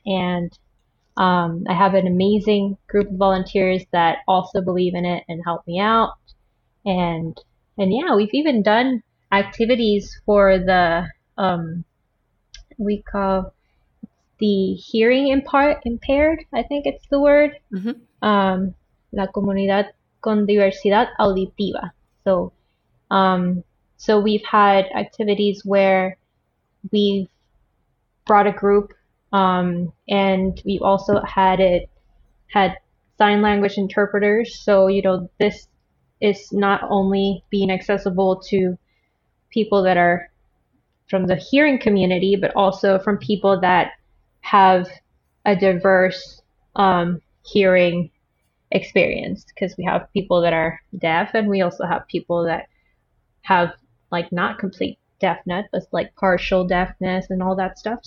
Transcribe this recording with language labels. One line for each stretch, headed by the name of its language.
English: And I have an amazing group of volunteers that also believe in it and help me out. And yeah, we've even done activities for the, we call the hearing impaired, I think it's the word.
Spanish: La comunidad con diversidad auditiva.
English: So we've had activities where we've brought a group, and we've also had sign language interpreters. So, you know, this is not only being accessible to people that are from the hearing community, but also from people that have a diverse hearing experience, because we have people that are deaf and we also have people that have like not complete deafness, but like partial deafness and all that stuff.